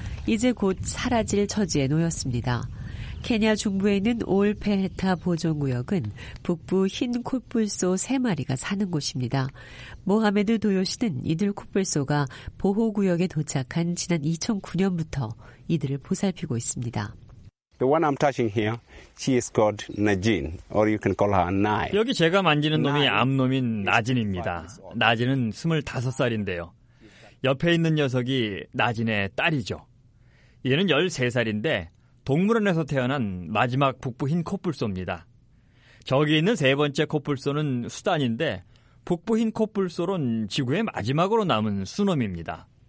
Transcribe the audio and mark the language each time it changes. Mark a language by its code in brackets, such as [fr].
[ko] 이제 곧 사라질 처지에 놓였습니다. 케냐 중부에 있는 올페헤타 보존구역은 북부 흰 코뿔소 3마리가 사는 곳입니다. 모하메드 도요시는 이들 코뿔소가 보호구역에 도착한 지난 2009년부터 이들을 보살피고 있습니다. [en] The one I'm touching here, she is called Najin, or you can call her Nai. [ko] 여기 제가 만지는 놈이 암놈인 나진입니다. 나진은 25살인데요. 옆에 있는 녀석이 나진의 딸이죠. 얘는 13살인데 동물원에서 태어난 마지막 북부 흰 코뿔소입니다. 저기 있는 세 번째 코뿔소는 수단인데 북부 흰 코뿔소론 지구의 마지막으로 남은 수놈입니다.